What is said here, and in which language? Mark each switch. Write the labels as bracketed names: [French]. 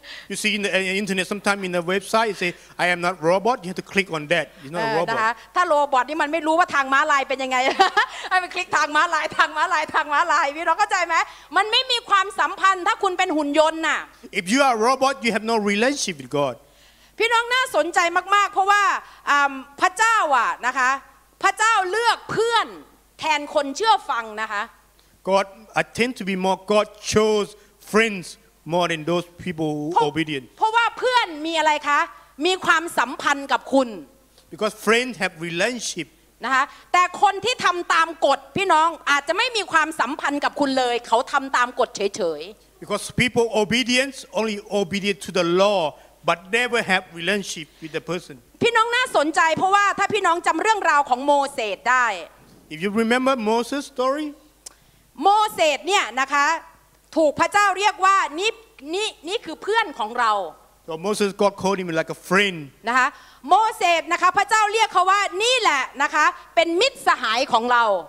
[English] You see in the internet sometime in the website say I am not robot you have to click on that you're not a robot [Thai] ถ้า robot นี่มันไม่รู้ว่าทางม้าลายเป็นยังไงให้ไปคลิกทางม้าลายทางม้าลายทางม้าลายพี่น้องเข้าใจมั้ยมันไม่มีความสัมพันธ์ถ้าคุณเป็นหุ่นยนต์น่ะ [English] If you are a robot you have no relationship with God [Thai] พี่น้องน่าสนใจมากๆเพราะว่าพระเจ้าอ่ะนะคะพระเจ้าเลือกเพื่อนแทนคนเชื่อฟังนะคะ [English] God I tend to be more God chose friends more than those people obedient [Thai] เพราะว่าเพื่อนมีอะไรคะมีความสัมพันธ์กับคุณ [English] Because friends have relationship [Thai] นะคะแต่คนที่ทำตามกฎพี่น้องอาจจะไม่มีความสัมพันธ์กับคุณเลยเขาทำตามกฎเฉย [English] ๆ Because people obedience only obedient to the lawBut never have relationship with the person. [Thai] พี่น้องน่าสนใจเพราะว่าถ้าพี่น้องจำเรื่องราวของโมเสสได้ [English] If you remember Moses story, [Thai] Moses เนี่ยนะคะถูกพระเจ้าเรียกว่านี่คือเพื่อนของเรา [English] So Moses God called him like a friend. [Thai] นะคะโมเสสนะคะพระเจ้าเรียกเขาว่านี่แหละนะคะเป็นมิตรสหายของเรา